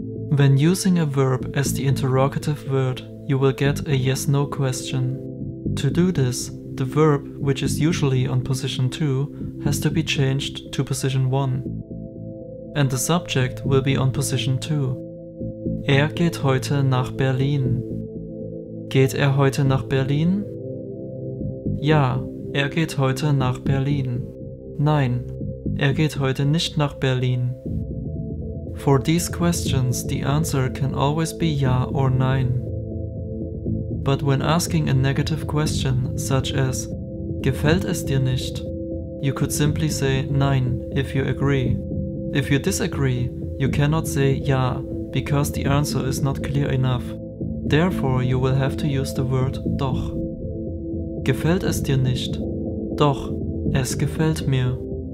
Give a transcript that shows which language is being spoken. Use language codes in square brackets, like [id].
[en] When using a verb as the interrogative word, you will get a yes-no question. To do this, the verb, which is usually on position 2, has to be changed to position 1. And the subject will be on position 2. [de] Er geht heute nach Berlin. Geht er heute nach Berlin? Ja, er geht heute nach Berlin. Nein, er geht heute nicht nach Berlin. [en] For these questions, the answer can always be ja or nein. But when asking a negative question, such as [de] gefällt es dir nicht, [en] you could simply say nein if you agree. If you disagree, you cannot say ja, because the answer is not clear enough. Therefore, you will have to use the word doch. [de] Gefällt es dir nicht? Doch, es gefällt mir.